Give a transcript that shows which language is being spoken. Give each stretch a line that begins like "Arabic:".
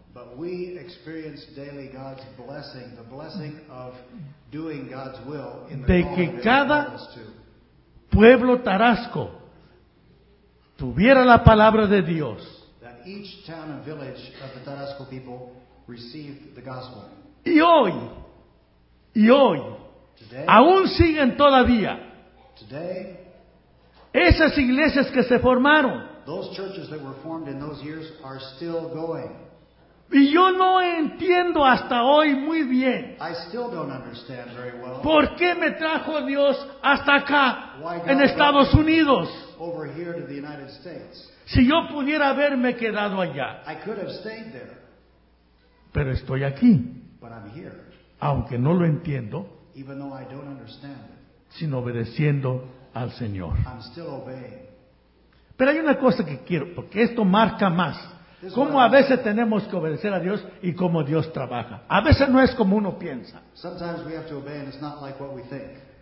English: But we experienced daily God's blessing, the blessing of doing God's will in the
Spanish: de que cada pueblo Tarasco tuviera la palabra de Dios.
English: That each town and village of the Tarasco people received the gospel.
Spanish: Y hoy,
English: today,
Spanish: aún siguen todavía.
English: Today,
Spanish: esas iglesias que se formaron.
English: Those churches that were formed in those years are still going.
Spanish: Y yo no entiendo hasta hoy muy bien.
English: I still don't understand very well.
Spanish: ¿Por qué me trajo Dios hasta acá?
English: Why God
Spanish: en Estados
English: brought
Spanish: Unidos?
English: Over here to the United States.
Spanish: Si yo pudiera haberme quedado allá.
English: I could have stayed there.
Spanish: Pero estoy aquí.
English: But I'm here.
Spanish: Aunque no lo entiendo.
English: Even though I don't understand it.
Spanish: Sino obedeciendo al Señor.
English: I'm still obeying.
Spanish: Pero hay una cosa que quiero, porque esto marca más. ¿Cómo a veces tenemos que obedecer a Dios y cómo Dios trabaja? A veces no es como uno piensa.
English: Sometimes we have to obey and it's not like what we think.